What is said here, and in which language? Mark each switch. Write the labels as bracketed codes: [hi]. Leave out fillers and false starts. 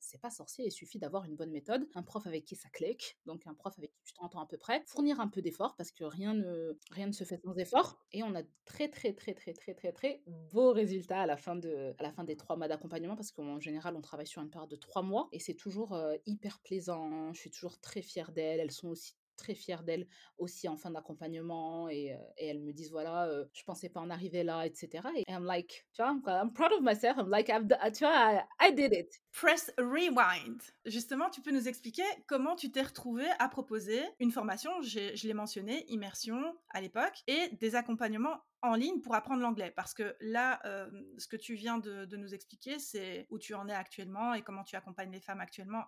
[fr] pas sorcier, il suffit d'avoir une bonne méthode, un prof avec qui ça clique, donc un prof avec qui tu t'entends à peu près, fournir un peu d'effort parce que rien ne se fait sans effort, et on a très très très très très très très beaux résultats à la fin des 3 mois d'accompagnement, parce qu'en général on travaille sur une période de 3 mois et c'est toujours hyper plaisant, je suis toujours très fière d'elles, elles sont aussi très fières d'elles aussi en fin d'accompagnement et elles me disent voilà je pensais pas en arriver là, etc. [en] Et I'm like, [fr] tu vois, [en] I'm proud of myself, I'm like, I did it. Press rewind. [fr] Justement, tu peux nous expliquer comment tu t'es retrouvée à proposer une formation, je l'ai mentionné, immersion à l'époque, et des accompagnements en ligne pour apprendre l'anglais. Parce que là, ce que tu viens de nous expliquer, c'est où tu en es actuellement et comment tu accompagnes les femmes actuellement.